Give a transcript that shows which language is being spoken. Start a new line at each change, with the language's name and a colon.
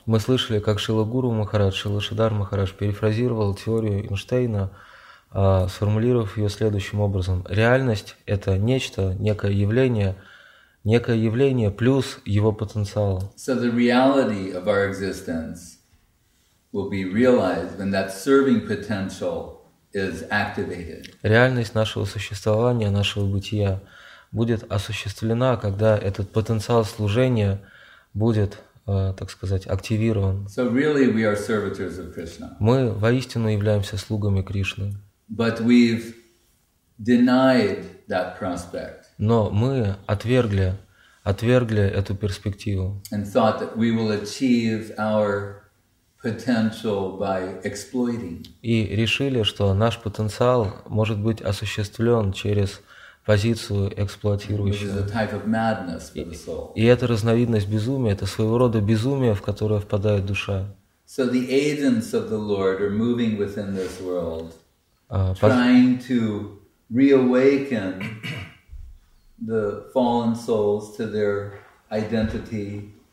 Russian: Мы слышали, как Шрила Гуру Махарадж, Шрила Шридхар Махарадж перефразировал теорию Эйнштейна, сформулировав ее следующим образом. Реальность – это нечто, некое явление плюс его потенциал.
English: So the reality of our existence will be realized when that serving potential is activated.
Russian: Реальность нашего существования, нашего бытия будет осуществлена, когда этот потенциал служения будет, так сказать, активирован.
English: So really we are servitors of Krishna.
Russian: Мы воистину являемся слугами Кришны.
English: But we've denied that prospect.
Russian: Но мы отвергли эту перспективу.
English: And thought that we will achieve our potential by exploiting.
Russian: И решили, что наш потенциал может быть осуществлен через позицию эксплуатирующего.
English: Which is a type of madness for the soul.
Russian: И это разновидность безумия, это своего рода безумие, в которое впадает душа.
English: So the agents of the Lord are moving within this world, trying to reawaken the fallen souls to their identity.